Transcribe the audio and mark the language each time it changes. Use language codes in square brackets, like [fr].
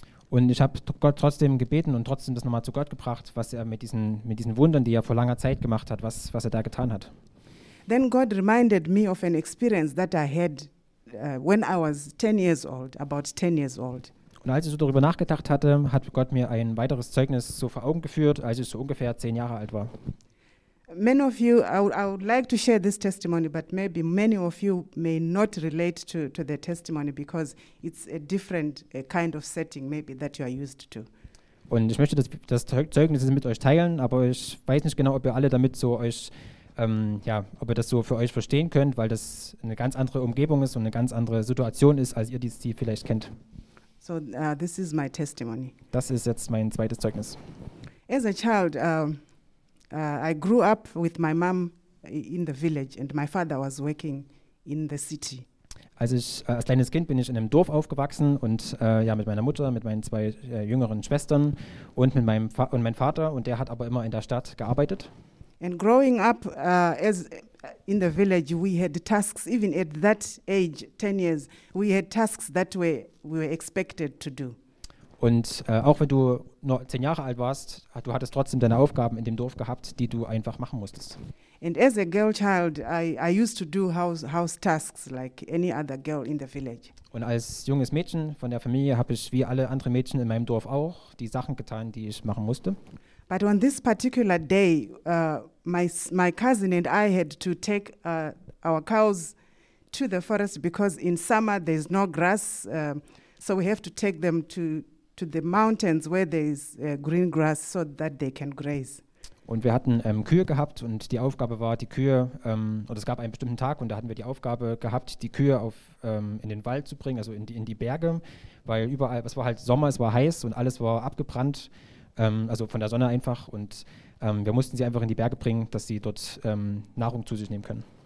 [de] Und ich habe Gott trotzdem gebeten und trotzdem das nochmal zu Gott gebracht, was er mit diesen Wundern, die er vor langer Zeit gemacht hat, was er da getan hat. [en] Then God reminded me of an experience that I had when I was 10 years old, about 10 years old. [de] Und als ich so darüber nachgedacht hatte, hat Gott mir ein weiteres Zeugnis so vor Augen geführt, als ich so ungefähr 10 Jahre alt war. [en] Many of you, I would like to share this testimony, but maybe many of you may not relate to the testimony because it's a different kind of setting maybe that you are used to. [de] Und ich möchte das Zeugnis mit euch teilen, aber ich weiß nicht genau, ob ihr alle damit so euch ob ihr das so für euch verstehen könnt, weil das eine ganz andere Umgebung ist und eine ganz andere Situation ist, als ihr die vielleicht kennt. [en] So, this is my testimony. [de] Das ist jetzt mein zweites Zeugnis. [en] As a child, I grew up with my mom in the village and my father was working in the city. [de] Als ich als kleines Kind bin ich in einem Dorf aufgewachsen und mit meiner Mutter, mit meinen zwei jüngeren Schwestern und mit meinem Vater und der hat aber immer in der Stadt gearbeitet. [en] And growing up as in the village, we had tasks even at that age, 10 years, we had tasks that we were expected to do. [de] Und auch wenn du nur 10 Jahre alt warst, du hattest trotzdem deine Aufgaben in dem Dorf gehabt, die du einfach machen musstest. [en] And as a girl child, I used to do house tasks like any other girl in the village. [de] Und als junges Mädchen von der Familie habe ich wie alle anderen Mädchen in meinem Dorf auch die Sachen getan, die ich machen musste. [en] But on this particular day, my cousin and I had to take our cows to the forest because in summer there's no grass, so we have to take them to the mountains where there's green grass so that they can graze. [de] Und wir hatten Kühe gehabt und die Aufgabe war, die Kühe, oder es gab einen bestimmten Tag und da hatten wir die Aufgabe gehabt, die Kühe auf, in den Wald zu bringen, also in die Berge, weil überall, es war halt Sommer, es war heiß und alles war abgebrannt, also von der Sonne einfach und wir mussten sie einfach in die Berge bringen, dass sie dort Nahrung zu sich nehmen können.